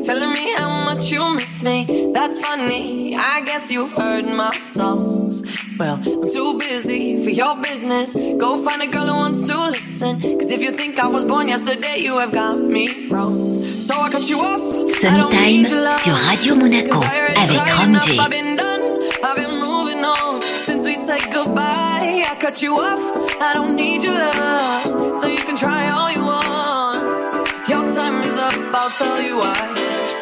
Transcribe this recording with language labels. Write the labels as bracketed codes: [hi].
[en] that's funny. I guess you've heard my songs. Well, I'm too busy for your business. Go find a girl who wants to listen. Cause if you think I was born yesterday, you have got me wrong. So I cut you off. [fr] Sunny Time sur Radio Monaco avec Rhum J. [en] I've been done, I've been moving on. Since we said goodbye, I cut you off. I don't need your love. So you can try all you want. Your time is up, I'll tell you why.